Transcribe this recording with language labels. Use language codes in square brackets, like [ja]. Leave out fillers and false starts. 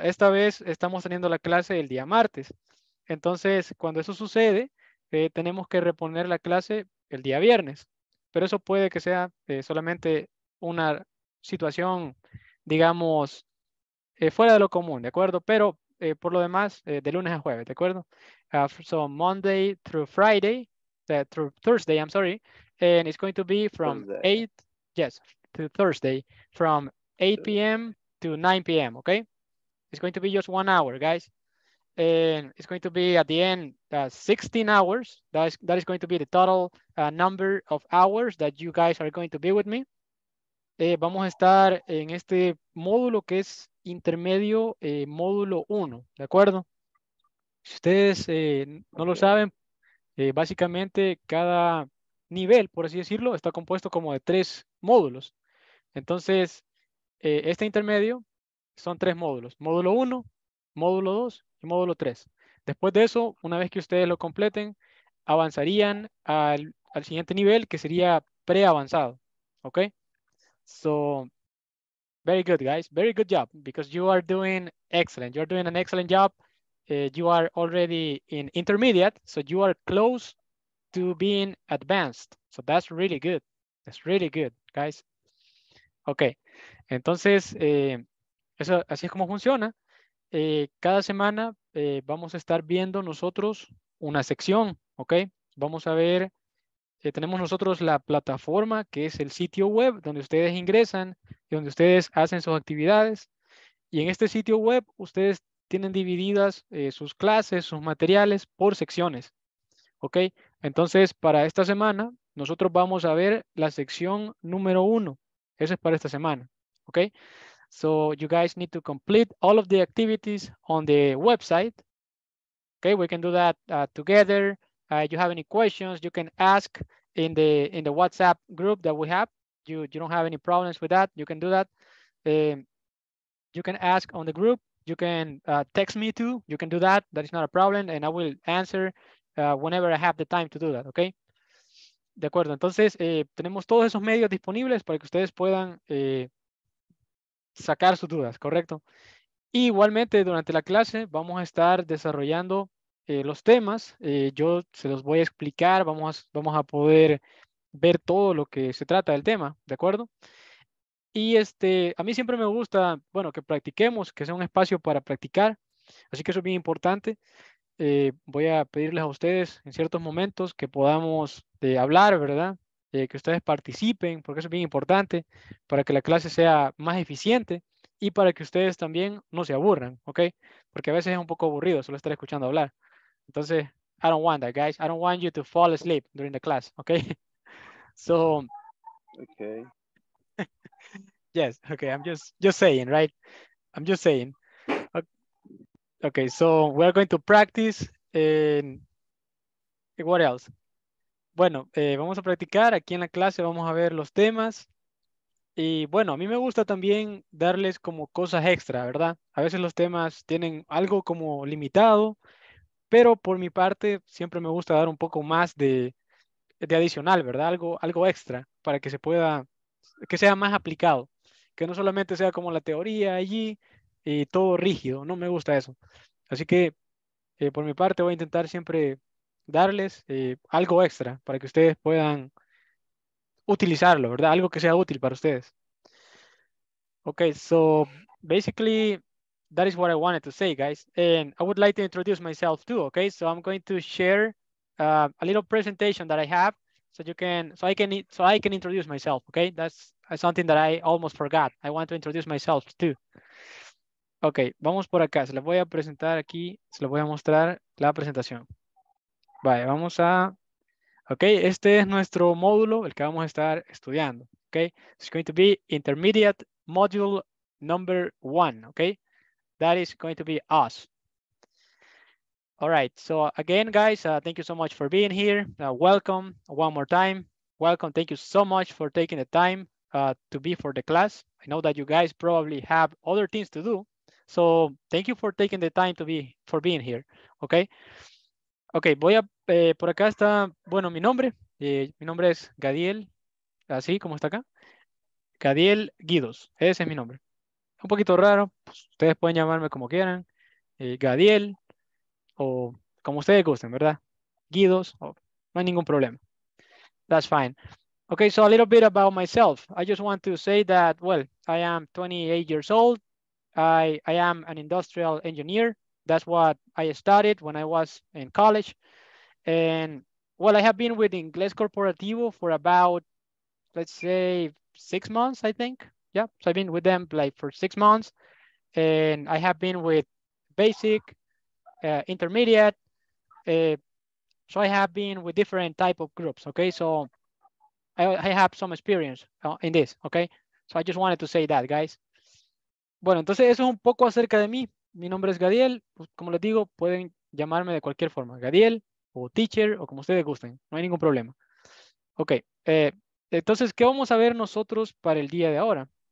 [es] Esta vez estamos teniendo la clase el día martes. Entonces, cuando eso sucede, tenemos que reponer la clase el día viernes. Pero eso puede que sea solamente una situación, digamos, fuera de lo común, ¿de acuerdo? Pero por lo demás, de lunes a jueves, ¿de acuerdo? [en] So, Monday through Friday, through Thursday, I'm sorry, and it's going to be from Thursday. 8, yes, to Thursday, from 8 p.m. to 9 p.m., okay? It's going to be just 1 hour, guys. And it's going to be at the end 16 hours. That is going to be the total number of hours that you guys are going to be with me. [es] Vamos a estar en este módulo que es intermedio, módulo 1, ¿de acuerdo? Si ustedes no lo saben, básicamente cada nivel, por así decirlo, está compuesto como de 3 módulos. Entonces, este intermedio son 3 módulos, módulo 1, módulo 2 y módulo 3. Después de eso, una vez que ustedes lo completen, avanzarían al siguiente nivel, que sería preavanzado, ¿ok? [en] So, very good, guys. Very good job, because you are doing excellent. You're doing an excellent job. You are already in intermediate, so you are close to being advanced. So that's really good. That's really good, guys. Okay. [es] Entonces, eso, así es como funciona. Cada semana vamos a estar viendo nosotros una sección, okay? Vamos a ver. Tenemos nosotros la plataforma, que es el sitio web donde ustedes ingresan y donde ustedes hacen sus actividades. Y en este sitio web, ustedes tienen divididas sus clases, sus materiales por secciones. ¿Ok? Entonces, para esta semana, nosotros vamos a ver la sección número 1. Eso es para esta semana. ¿Ok? [en] So, you guys need to complete all of the activities on the website. ¿Ok? We can do that together. If you have any questions, you can ask in the WhatsApp group that we have. You don't have any problems with that. You can do that. You can ask on the group. You can text me too. You can do that. That is not a problem. And I will answer whenever I have the time to do that. [es] Okay? De acuerdo. Entonces, tenemos todos esos medios disponibles para que ustedes puedan sacar sus dudas. ¿Correcto? Y igualmente, durante la clase, vamos a estar desarrollando los temas, yo se los voy a explicar, vamos a poder ver todo lo que se trata del tema, ¿de acuerdo? Y a mí siempre me gusta, bueno, que practiquemos, que sea un espacio para practicar, así que eso es bien importante. Voy a pedirles a ustedes en ciertos momentos que podamos hablar, ¿verdad? Que ustedes participen, porque eso es bien importante para que la clase sea más eficiente y para que ustedes también no se aburran, ¿ok? Porque a veces es un poco aburrido solo estar escuchando hablar. [en] Entonces, I don't want that, guys. I don't want you to fall asleep during the class, okay? So, okay. Yes, okay, I'm just saying, right? I'm just saying. Okay, so we're going to practice. And what else? [es] Bueno, vamos a practicar. Aquí en la clase vamos a ver los temas. Y bueno, a mí me gusta también darles como cosas extra, ¿verdad? A veces los temas tienen algo como limitado. Pero por mi parte, siempre me gusta dar un poco más de adicional, ¿verdad? Algo extra para que se pueda, que sea más aplicado. Que no solamente sea como la teoría allí y todo rígido. No me gusta eso. Así que por mi parte voy a intentar siempre darles algo extra para que ustedes puedan utilizarlo, ¿verdad? Algo que sea útil para ustedes. [en] Okay, so basically, that is what I wanted to say, guys. And I would like to introduce myself too, okay? So I'm going to share a little presentation that I have so I can introduce myself, okay? That's something that I almost forgot. I want to introduce myself too. [es] Ok, vamos por acá. Se la voy a presentar aquí. Se la voy a mostrar la presentación. Vale, vamos a... Ok, este es nuestro módulo, el que vamos a estar estudiando. [en] Ok, it's going to be Intermediate Module Number 1. Ok, that is going to be us. All right, so again, guys, thank you so much for being here. Welcome one more time. Welcome, thank you so much for taking the time to be for the class. I know that you guys probably have other things to do. So thank you for taking the time to be for being here. Okay. [es] Okay, voy a por acá está, bueno, mi nombre es Gadiel, así como está acá. Gadiel Guidos, ese es mi nombre. Un poquito raro, pues, ustedes pueden llamarme como quieran, Gadiel, o como ustedes gusten, ¿verdad? Guidos, no hay ningún problema. [en] That's fine. Okay, so a little bit about myself. I just want to say that, well, I am 28 years old. I am an industrial engineer. That's what I studied when I was in college. And well, I have been with Inglés Corporativo for about, let's say, 6 months, I think. Yeah, so I've been with them like for 6 months. And I have been with basic, intermediate. So I have been with different type of groups, okay? So I have some experience in this, okay? So I just wanted to say that, guys. [es] Bueno, entonces eso es un poco acerca de mí. Mi nombre es Gadiel. Como les digo, pueden llamarme de cualquier forma. Gadiel o teacher o como ustedes gusten. No hay ningún problema. Ok. Entonces, ¿qué vamos a ver nosotros para el día de ahora?